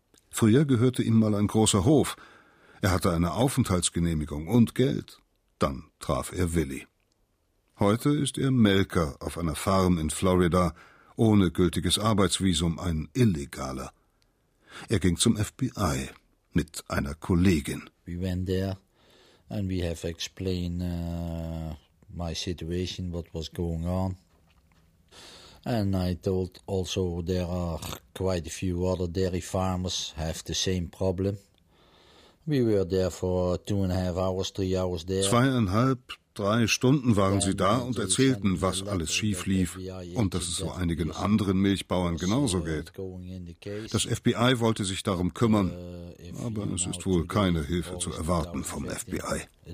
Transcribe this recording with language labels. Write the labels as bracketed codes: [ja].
[de] Früher gehörte ihm mal ein großer Hof. Er hatte eine Aufenthaltsgenehmigung und Geld. Dann traf er Willy. Heute ist er Melker auf einer Farm in Florida, ohne gültiges Arbeitsvisum, ein Illegaler. Er ging zum FBI mit einer Kollegin. [en] We went there and we have explained my situation, what was going on. And I told also there are quite a few other dairy farmers have the same problem. We were there for 2.5 hours, 3 hours there. [de] 2.5, 3 Stunden waren sie da und erzählten, was alles schief lief und dass es so einigen anderen Milchbauern genauso geht. Das FBI wollte sich darum kümmern, aber es ist wohl keine Hilfe zu erwarten vom FBI.